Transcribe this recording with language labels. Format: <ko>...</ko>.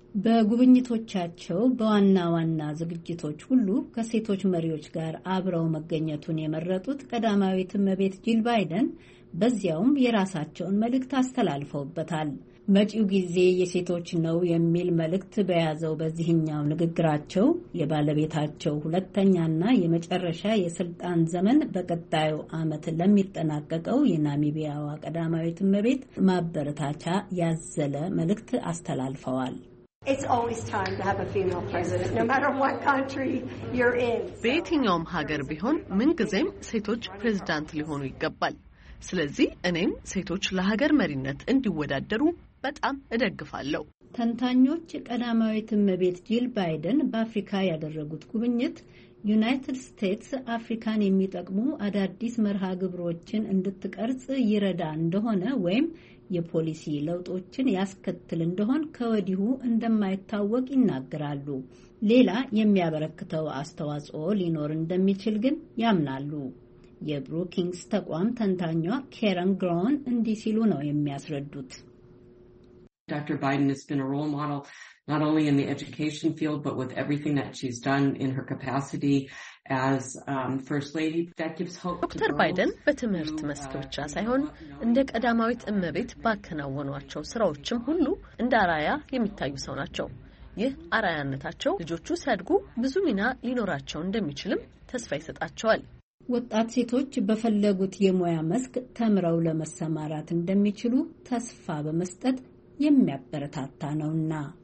<am>በጉብኝቶቻቸው በዋና ዋና ዝግጅቶች ሁሉ ከሴቶች መሪዎች ጋር አብረው መገኘቱን የመረጡት ቀዳማዊት እመቤት ጂል ባይደን በዚያውም የራሳቸውን መልእክት አስተላልፈውበታል። መጪው ጊዜ የሴቶች ነው የሚል መልእክት በያዘው በዚህኛው ንግግራቸው የባለቤታቸው ሁለተኛና የመጨረሻ የስልጣን ዘመን በቀጣዩ ዓመት ለሚጠናቀቀው የናሚቢያዋ ቀዳማዊት እመቤት ማበረታቻ ያዘለ መልእክት አስተላልፈዋል።</am> <en>It's always time to have a female president, no matter what country you're in.</en> <am>በየትኛውም ሀገር ቢሆን ምንጊዜም ሴቶች ፕሬዝዳንት ሊሆኑ ይገባል። ስለዚህ እኔም ሴቶች ለሀገር መሪነት እንዲወዳደሩ በጣም እደግፋለሁ። ተንታኞች ቀዳማዊት እመቤት ጂል ባይደን በአፍሪካ ያደረጉት ጉብኝት ዩናይትድ ስቴትስ አፍሪካን የሚጠቅሙ አዳዲስ መርሃ ግብሮችን እንድትቀርጽ ይረዳ እንደሆነ ወይም የፖሊሲ ለውጦችን ያስከትል እንደሆን ከወዲሁ እንደማይታወቅ ይናገራሉ። ሌላ የሚያበረክተው አስተዋጽኦ ሊኖር እንደሚችል ግን ያምናሉ። የብሩኪንግስ ተቋም ተንታኟ ኬረን ግሮን እንዲህ ሲሉ ነው የሚያስረዱት።</am> <en>Dr. Biden has been a role model not only in the education field but with everything that she's done in her capacity as first lady. That gives hope. Dr.</en> <am>Biden በትምህርት መስክ ብቻ ሳይሆን እንደ ቀዳማዊት እመቤት ባከናወኗቸው ስራዎችም ሁሉ እንደ አራያ የሚታዩ ሰው ናቸው። ይህ አራያነታቸው ልጆቹ ሲያድጉ ብዙ ሚና ሊኖራቸው እንደሚችልም ተስፋ ይሰጣቸዋል። ወጣት ሴቶች በፈለጉት የሙያ መስክ ተምረው ለመሰማራት እንደሚችሉ ተስፋ በመስጠት የሚያበረታታ ነውና።</am>